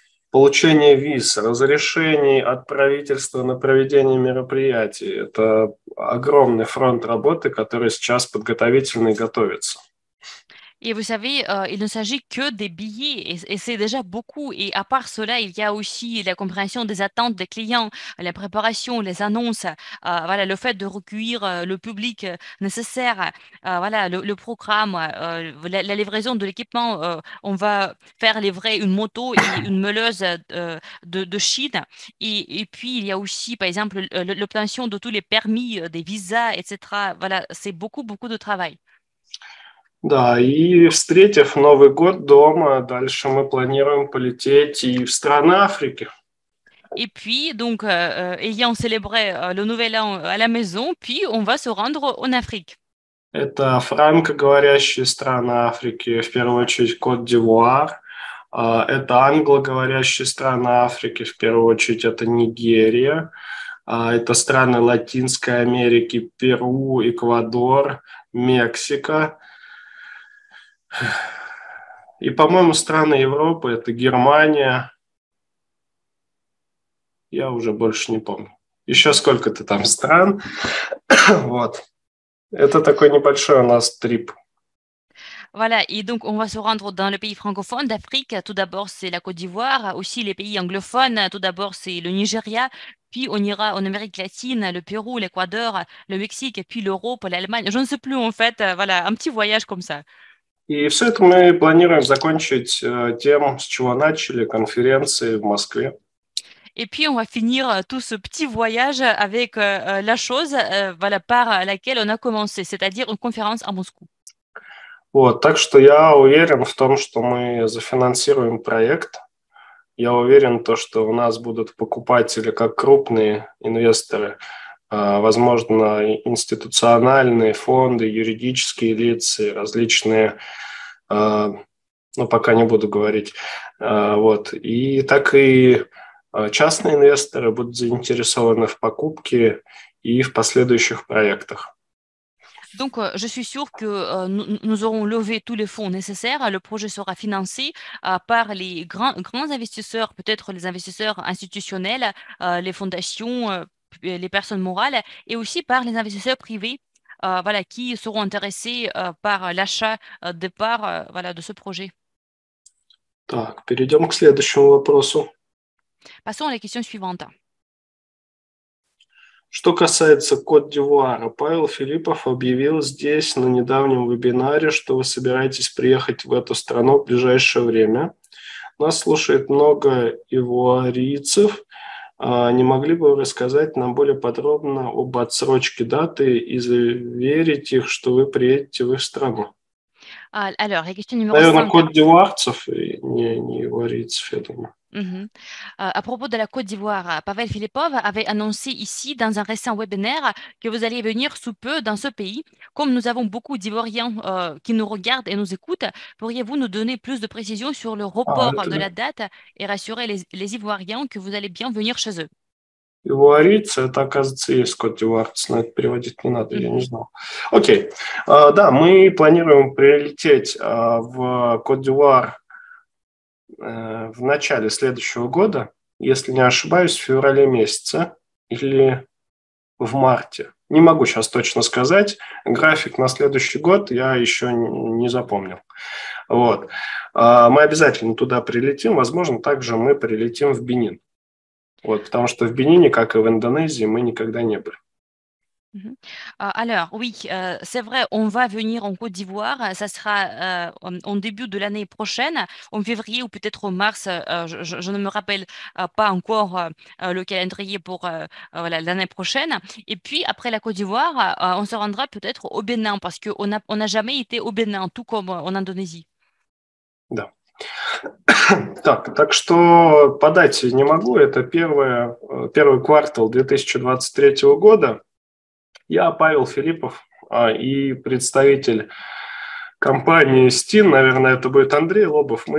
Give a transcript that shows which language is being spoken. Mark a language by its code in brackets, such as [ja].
[ru] Получение виз, разрешений от правительства на проведение мероприятий. Это огромный фронт работы, который сейчас подготовительный готовится. [fr] Et vous savez, il ne s'agit que des billets, et c'est déjà beaucoup. Et à part cela, il y a aussi la compréhension des attentes des clients, la préparation, les annonces, voilà, le fait de recueillir le public nécessaire, voilà, le programme, la livraison de l'équipement. On va faire livrer une moto et une meuleuse de Chine. Et puis, il y a aussi, par exemple, l'obtention de tous les permis, des visas, etc. Voilà, c'est beaucoup, beaucoup de travail. [ru] Да, и встретив Новый год дома, дальше мы планируем полететь и в страны Африки. [fr] Et puis donc ayant célébré le nouvel an à la maison, puis on va se rendre en Afrique. [ru] Это франкоговорящие страны Африки, в первую очередь Кот-д'Ивуар. Это англоговорящие страны Африки, в первую очередь это Нигерия. Это страны Латинской Америки, Перу, Эквадор, Мексика. И, по-моему, страны Европы – это Германия. Я уже больше не помню. Еще сколько-то там стран. Вот. Это такой небольшой у нас трип. [fr] Voilà, et donc on va se rendre dans les pays francophones d'Afrique. Tout d'abord, c'est la Côte d'Ivoire, aussi les pays anglophones. Tout d'abord, c'est le Nigeria, puis on ira en Amérique latine, le Pérou, l'Équateur, le Mexique, et puis l'Europe, l'Allemagne. Je ne sais plus, en fait, voilà, un petit voyage comme ça. [ru] И все это мы планируем закончить тем, с чего начали конференции в Москве. [fr] Et puis on va finir tout ce petit voyage avec la chose, voilà, par laquelle on a commencé, c'est-à-dire une conférence à Moscou. [ru] Вот, так что я уверен в том, что мы зафинансируем проект. Я уверен, то, что у нас будут покупатели как крупные инвесторы, возможно, институциональные фонды, юридические лица, различные, ну, пока не буду говорить, вот, и так и частные инвесторы будут заинтересованы в покупке и в последующих проектах. [fr] Donc, je suis sûre que nous aurons levé tous les fonds nécessaires. Le projet sera financé par les grands investisseurs, peut-être les investisseurs institutionnels, les fondations, les personnes morales, et aussi par les investisseurs privés voilà, qui seront intéressés par l'achat de parts voilà, de ce projet. [ru] Так, перейдем к следующему вопросу. [fr] Passons à la question suivante. [ru] Что касается Кот-д'Ивуара, Павел Филиппов объявил здесь на недавнем вебинаре, что вы собираетесь приехать в эту страну в ближайшее время. Нас слушает много ивуарийцев. Не могли бы вы рассказать нам более подробно об отсрочке даты и заверить их, что вы приедете в их страну? [fr] Alors, la question numéro 5. [ru] Кот-д'Ивуарцев, не ивуарийцев, я думаю. [fr] À propos de la Côte d'Ivoire, Pavel Filipov avait annoncé ici dans un récent webinaire que vous allez venir sous peu dans ce pays. Comme nous avons beaucoup d'Ivoiriens qui nous regardent et nous écoutent, pourriez-vous nous donner plus de précisions sur le report de la date et rassurer les Ivoiriens que vous allez bien venir chez eux? [ru] Ивуарийцы, это, оказывается, есть Кот-д'Ивуарцы, но это переводить не надо, я не знал. Окей, да, мы планируем прилететь в Кот-д'Ивуар в начале следующего года, если не ошибаюсь, в феврале месяце или в марте. Не могу сейчас точно сказать, график на следующий год я еще не запомнил. Вот. Мы обязательно туда прилетим, возможно, также мы прилетим в Бенин. Вот, потому что в Бенине, как и в Индонезии, мы никогда не были. [fr] Alors, oui, c'est vrai, on va venir en Côte d'Ivoire. Ça sera en début de l'année prochaine, en février ou peut-être en mars. Je ne me rappelle pas encore le calendrier pour voilà, l'année prochaine. Et puis, après la Côte d'Ivoire, on se rendra peut-être au Bénin, parce qu'on n'a jamais été au Bénin, tout comme en Indonésie. [ru] Да. Так что по дате не могу, это первый квартал 2023 года. Я Павел Филиппов и представитель компании Steam, наверное, это будет Андрей Лобов.